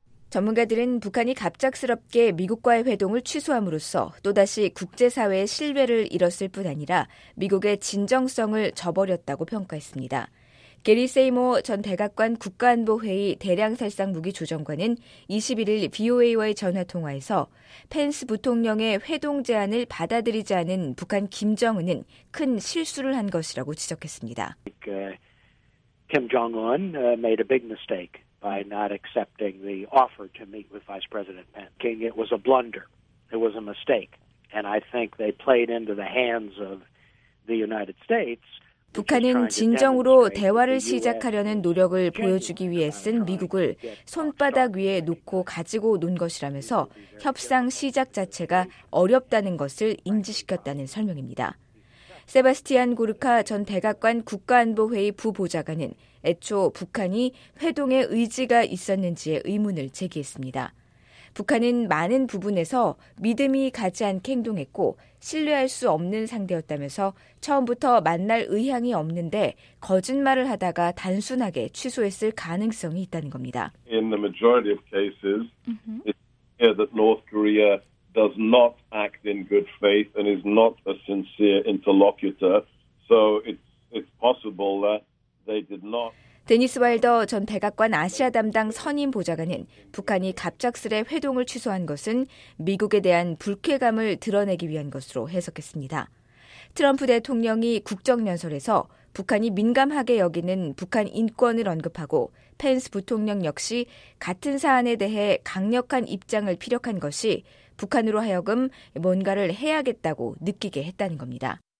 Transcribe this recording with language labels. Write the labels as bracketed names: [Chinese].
[Korean] 전문가들은 북한이 갑작스럽게 미국과의 회동을 취소함으로써 또다시 국제사회의 신뢰를 잃었을 뿐 아니라 미국의 진정성을 저버렸다고 평가했습니다. 게리 세이머 전 백악관 국가안보회의 대량살상무기조정관은 21일 VOA와의 전화통화에서 펜스 부통령의 회동 제안을 받아들이지 않은 북한 김정은은 큰 실수를 한 것이라고 지적했습니다. [English] Kim Jong-un made a big mistake by not accepting the offer to meet with Vice President Pence. It was a blunder. It was a mistake. And I think they played into the hands of the United States. [Korean] 북한은 진정으로 대화를 시작하려는 노력을 보여주기 위해 쓴 미국을 손바닥 위에 놓고 가지고 논 것이라면서 협상 시작 자체가 어렵다는 것을 인지시켰다는 설명입니다. 세바스티안 고르카 전 백악관 국가안보회의 부보좌관은 애초 북한이 회동의 의지가 있었는지에 의문을 제기했습니다. 북한은 많은 부분에서 믿음이 가지 않게 행동했고 신뢰할 수 없는 상대였다면서 처음부터 만날 의향이 없는데 거짓말을 하다가 단순하게 취소했을 가능성이 있다는 겁니다. [English] In the majority of cases, it's clear that North Korea does not act in good faith and is not a sincere interlocutor. So it's possible that they did not. [Korean] 데니스 와일더 전 백악관 아시아 담당 선임 보좌관은 북한이 갑작스레 회동을 취소한 것은 미국에 대한 불쾌감을 드러내기 위한 것으로 해석했습니다. 트럼프 대통령이 국정연설에서 북한이 민감하게 여기는 북한 인권을 언급하고 펜스 부통령 역시 같은 사안에 대해 강력한 입장을 피력한 것이 북한으로 하여금 뭔가를 해야겠다고 느끼게 했다는 겁니다.